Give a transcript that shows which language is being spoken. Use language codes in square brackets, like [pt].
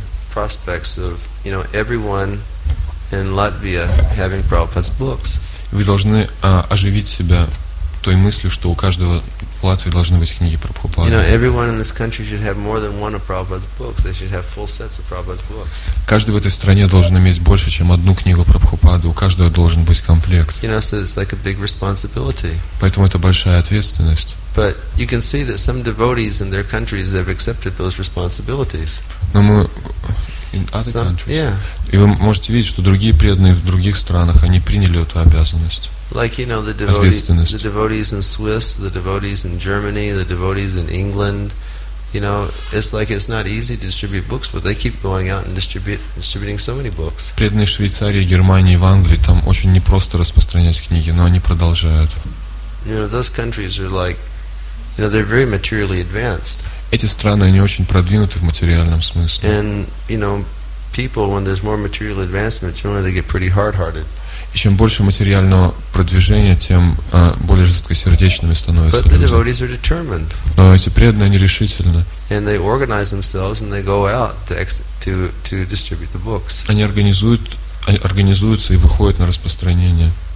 [en] prospects of, you know, everyone in Latvia having Prabhupada's books. [ru] Вы должны оживить себя той мыслью, что у каждого в Латвии должны быть книги Прабхупады. [en] You know, everyone in this country should have more than one of Prabhupada's books. They should have full sets of Prabhupada's books. [ru] Каждый в этой стране должен иметь больше, чем одну книгу Прабхупады. У каждого должен быть комплект. [en] You know, so it's like a big responsibility. [ru] Поэтому это большая ответственность. [en] But you can see that some devotees in their countries have accepted those responsibilities. [ru] Но мы [en] in other countries. Yeah. [ru] И вы можете видеть, что другие преданные в других странах, они приняли эту обязанность. [en] Like, you know, the devotees in Swiss, the devotees in Germany, the devotees in England, you know, it's like it's not easy to distribute books, but they keep going out and distributing so many books. [ru] Преданные в Швейцарии, Германии, в Англии, там очень непросто распространять книги, но они продолжают. [en] You know, those countries are like, you know, they're very materially advanced. [ru] Эти страны, они очень продвинуты в материальном смысле. [en] And, you know, people, when there's more material advancement, generally they get pretty hard-hearted. [ru] И чем больше материального продвижения, тем более жесткосердечными становятся люди. Но эти преданные, они решительны. [en] And they organize themselves and they go out to distribute the books. [ru] Они организуются и выходят на распространение.